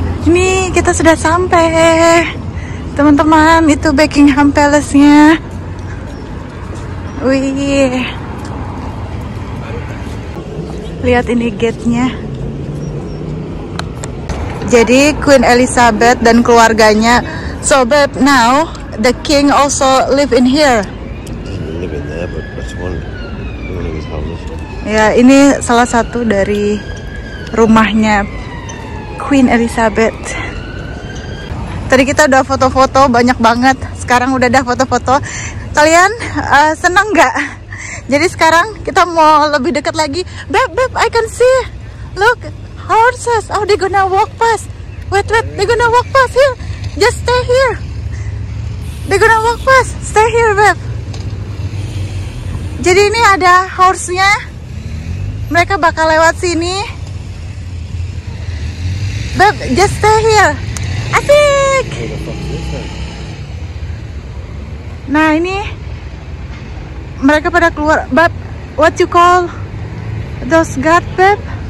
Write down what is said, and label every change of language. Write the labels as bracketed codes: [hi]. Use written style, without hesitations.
[id] Ini kita sudah sampai, teman-teman. Itu Buckingham Palace-nya. Wih. Lihat ini gate-nya. Jadi Queen Elizabeth dan keluarganya. [en] So babe, now the king also live in here. Live in there, but that's one of his houses. [id] Ya, ini salah satu dari rumahnya Queen Elizabeth. Tadi kita udah foto-foto banyak banget. Sekarang udah ada foto-foto. Kalian senang nggak? Jadi sekarang kita mau lebih dekat lagi. [en] Babe, I can see. Look, horses. Oh, they gonna walk past. Wait, they gonna walk past here. Just stay here. They gonna walk past. Stay here, babe. [id] Jadi ini ada horse-nya. Mereka bakal lewat sini. [en] Babe, just stay here. Asik. [id] Nah, ini mereka pada keluar. [en] Bab, what you call those guard, babe?